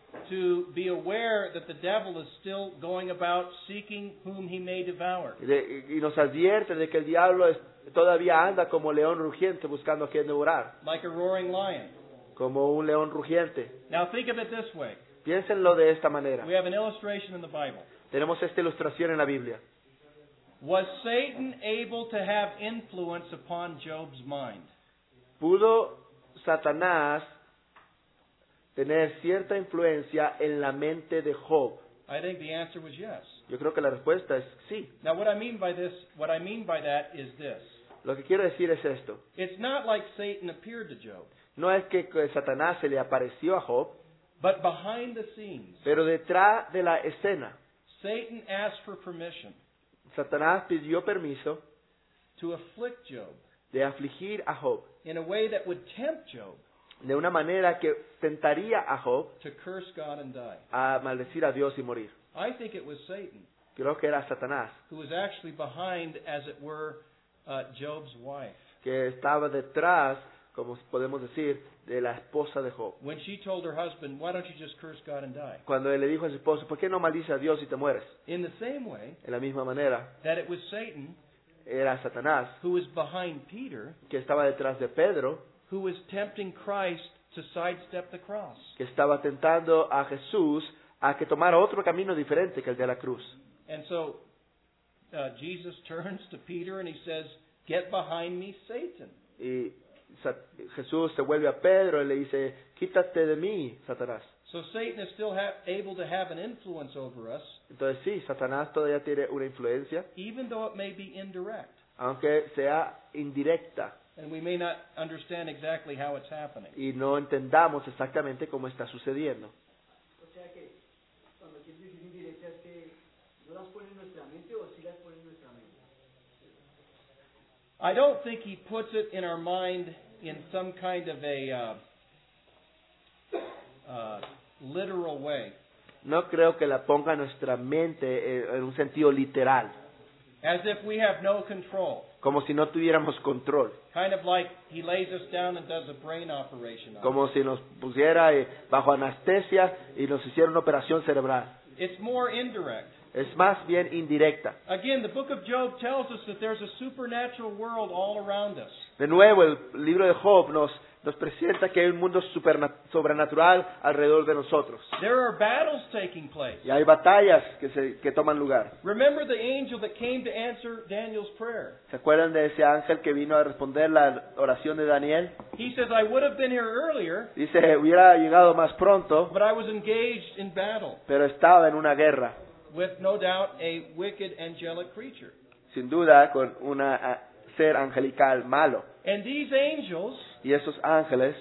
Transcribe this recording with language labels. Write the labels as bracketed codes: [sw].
[en] to be aware that the devil is still going about seeking whom he may devour. [es] Y nos advierte de que el diablo todavía anda como león rugiente buscando a quien devorar. [en] Like a roaring lion. [es] Como un león rugiente. [en] Now think of it this way. [es] Piénsenlo de esta manera. [en] We have an illustration in the Bible. [es] Tenemos esta ilustración en la Biblia. [en] Was Satan able to have influence upon Job's mind? [es] ¿Pudo Satanás tener cierta influencia en la mente de Job? [en] I think the answer was yes. [es] Yo creo que la respuesta es sí. [en] Now what I mean by this, what I mean by that is this. [es] Lo que quiero decir es esto. [en] It's not like Satan appeared to Job. [es] No es que Satanás se le apareció a Job. [en] But behind the scenes. [es] Pero detrás de la escena. [en] Satan asked for permission. [es] Satanás pidió permiso. [en] To afflict Job. [es] De afligir a Job. [en] In a way that would tempt Job. [es] De una manera que tentaría a Job. [en] To curse God and die. [es] A maldecir a Dios y morir. [en] I think it was Satan. [es] Creo que era Satanás. [en] Who was actually behind, as it were, Job's wife. [es] Que estaba detrás, como podemos decir, de la esposa de Job. [en] When she told her husband, why don't you just curse God and die? [es] Cuando él le dijo a su esposo, ¿por qué no maldices a Dios y te mueres? [en] In the same way. [es] En la misma manera. [en] That it was Satan. [es] Era Satanás. [en] Who was behind Peter. [es] Que estaba detrás de Pedro. [en] Who was tempting Christ to sidestep the cross. [es] Que estaba tentando a Jesús a que tomara otro camino diferente que el de la cruz. [en] And so, Jesus turns to Peter and he says, get behind me, Satan. [es] Y Jesús se vuelve a Pedro y le dice, quítate de mí, Satanás. [en] So Satan is still able to have an influence over us. [es] Entonces sí, Satanás todavía tiene una influencia. [en] Even though it may be indirect. [es] Aunque sea indirecta. [en] And we may not understand exactly how it's happening. [es] Y no entendamos exactamente cómo está sucediendo. O sea que, cuando quieres decir indirecta, es que no las pone en nuestra mente o sí las pone en nuestra mente. [en] I don't think he puts it in our mind in some kind of a literal way. [es] No creo que la ponga nuestra mente en un sentido literal. [en] As if we have no control. [es] Como si no tuviéramos control. [en] Kind of like he lays us down and does a brain operation. [es] Como si nos pusiera bajo anestesia y nos hiciera una operación cerebral. [en] It's more indirect. [es] Es más bien indirecta. [en] Again, the book of Job tells us that there's a supernatural world all around us. [es] De nuevo, el libro de Job nos presenta que hay un mundo sobrenatural alrededor de nosotros. [en] There are battles taking place. [es] Y hay batallas que toman lugar. [en] Remember the angel that came to answer Daniel's prayer. [es] ¿Se acuerdan de ese ángel que vino a responder la oración de Daniel? [en] He says, I would have been here earlier. [es] Dice, hubiera llegado más pronto. [en] But I was engaged in battle. [es] Pero estaba en una guerra. [en] With no doubt a wicked angelic creature. [es] Sin duda con una ser angelical malo. [en] And these angels. [es] Y esos ángeles,